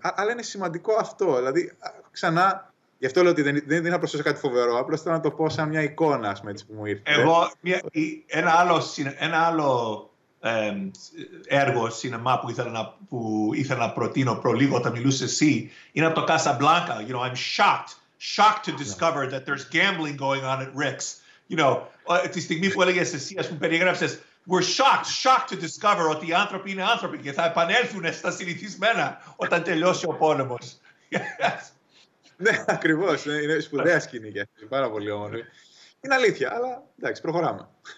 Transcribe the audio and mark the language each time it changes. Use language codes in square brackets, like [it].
[el] Αλλά είναι σημαντικό αυτό, δηλαδή ξανά. Γι' αυτό λέω ότι δεν είναι να προσθέσω κάτι φοβερό, απλώς θέλω να το πω σαν μια εικόνα, ας πούμε, έτσι που μου ήρθε. Εγώ, ένα άλλο έργο σινεμά που ήθελα να προτείνω προλίγο όταν μιλούσε εσύ, είναι από το Casablanca. [en] You know, I'm shocked to discover that there's gambling going on at Rick's. You know, [el] τη στιγμή που έλεγες εσύ, ας πούμε, περιέγραψες, [en] we're shocked to discover [el] ότι οι άνθρωποι είναι άνθρωποι και θα επανέλθουν στα συνηθισμένα όταν τελειώσει ο πόλεμος. Ναι, ακριβώς. Είναι σπουδαία σκηνή και πάρα πολύ όμορφη. Είναι αλήθεια, αλλά εντάξει, προχωράμε.